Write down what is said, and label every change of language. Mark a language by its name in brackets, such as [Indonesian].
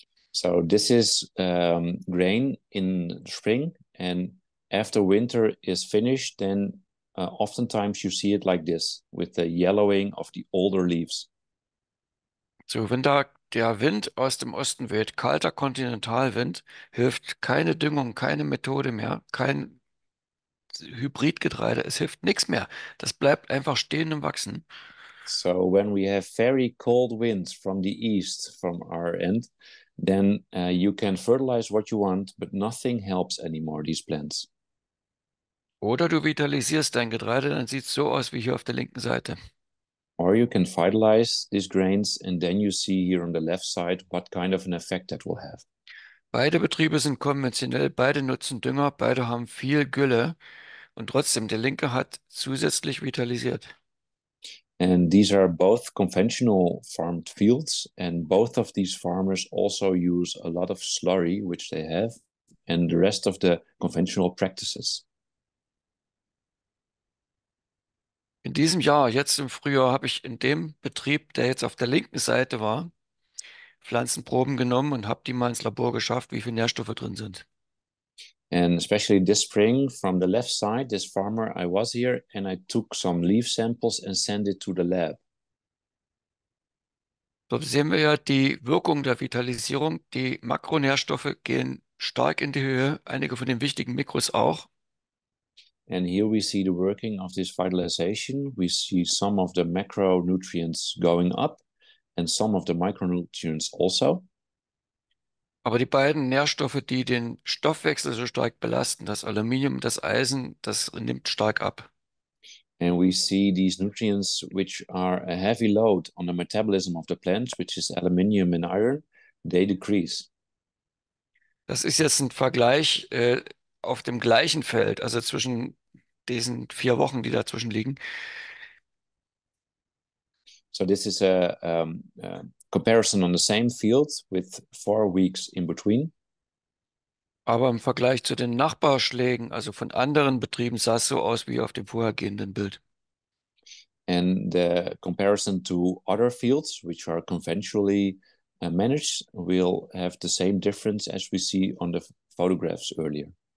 [English] So this is grain in spring, and after winter is finished, then oftentimes you see it like this, with the yellowing of the older leaves. [German] So, wenn da der Wind aus dem Osten weht, kalter Kontinentalwind, hilft keine Düngung, keine Methode mehr, kein Hybridgetreide, es hilft nichts mehr. Das bleibt einfach stehen und wachsen. [English] So when we have very cold winds from the east, from our end, then you can fertilize what you want, but nothing helps anymore, these plants. [German] Oder du vitalisierst dein Getreide, dann sieht es so aus wie hier auf der linken Seite. [English] Or you can vitalize these grains and then you see here on the left side what kind of an effect that will have. [German] Beide Betriebe sind konventionell, beide nutzen Dünger, beide haben viel Gülle und trotzdem, der linke hat zusätzlich vitalisiert. [English] And these are both conventional farmed fields and both of these farmers also use a lot of slurry, which they have, and the rest of the conventional practices. [German] In diesem Jahr, jetzt im Frühjahr, habe ich in dem Betrieb, der jetzt auf der linken Seite war, Pflanzenproben genommen und habe die mal ins Labor geschafft, wie viele Nährstoffe drin sind. [English] And especially this spring, from the left side, this farmer, I was here and I took some leaf samples and sent it to the lab. [German] So sehen wir ja die Wirkung der Vitalisierung. Die Makronährstoffe gehen stark in die Höhe, einige von den wichtigen Mikros auch. [English] And here we see the working of this vitalization. We see some of the macronutrients going up. And some of the micronutrients also. [German] Aber die beiden Nährstoffe, die den Stoffwechsel so stark belasten, das Aluminium, das Eisen, das nimmt stark ab. [English] And we see these nutrients, which are a heavy load on the metabolism of the plants, which is aluminium and iron, they decrease. [German] Das ist jetzt ein Vergleich auf dem gleichen Feld, also zwischen diesen 4 Wochen, die dazwischen liegen. [English] So this is a comparison on the same field with 4 weeks in between. [German] Aber im Vergleich zu den Nachbarschlägen, also von anderen Betrieben, sah es so aus wie auf dem vorhergehenden Bild. [English] And the comparison to other fields, which are conventionally managed, will have the same difference as we see on the photographs earlier.